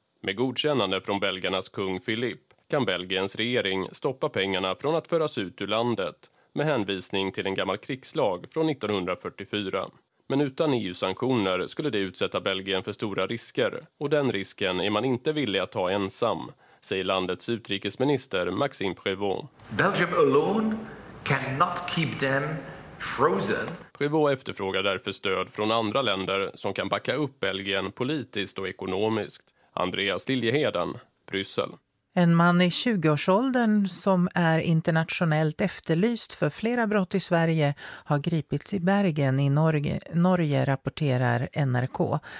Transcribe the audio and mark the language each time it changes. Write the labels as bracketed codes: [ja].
[sv] Med godkännande från belgarnas kung Philippe kan Belgiens regering stoppa pengarna från att föras ut ur landet med hänvisning till en gammal krigslag från 1944. Men utan EU-sanktioner skulle det utsätta Belgien för stora risker, och den risken är man inte villig att ta ensam, säger landets utrikesminister Maxime Prévot. [en] Belgium alone cannot keep them frozen. [sv] Prévot efterfrågar därför stöd från andra länder som kan backa upp Belgien politiskt och ekonomiskt. Andreas Liljeheden, Bryssel. En man i 20-årsåldern som är internationellt efterlyst för flera brott i Sverige har gripits i Bergen i Norge, rapporterar NRK.